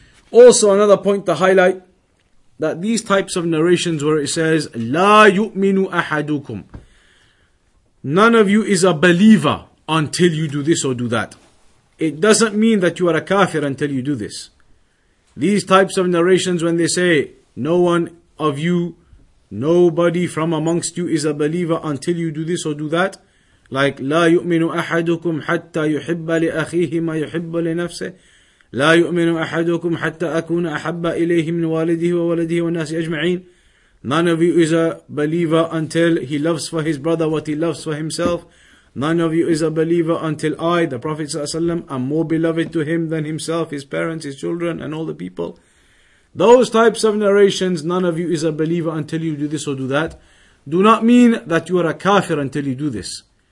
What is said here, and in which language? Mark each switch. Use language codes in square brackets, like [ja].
[en] Also, another point to highlight, that these types of narrations where it says, [ar] La yu'minu ahadukum, [en] none of you is a believer until you do this or do that, it doesn't mean that you are a kafir until you do this. These types of narrations, when they say, no one of you, nobody from amongst you is a believer until you do this or do that, like [ar] لا يؤمن أحدكم حتى يحب لأخيه ما يحب لنفسه, لا يؤمن أحدكم حتى أكون أحب إليه من والده وولده والناس أجمعين. [en] None of you is a believer until he loves for his brother what he loves for himself. None of you is a believer until I, the Prophet ﷺ, am more beloved to him than himself, his parents, his children, and all the people. Those types of narrations, none of you is a believer until you do this or do that, do not mean that you are a kafir until you do this.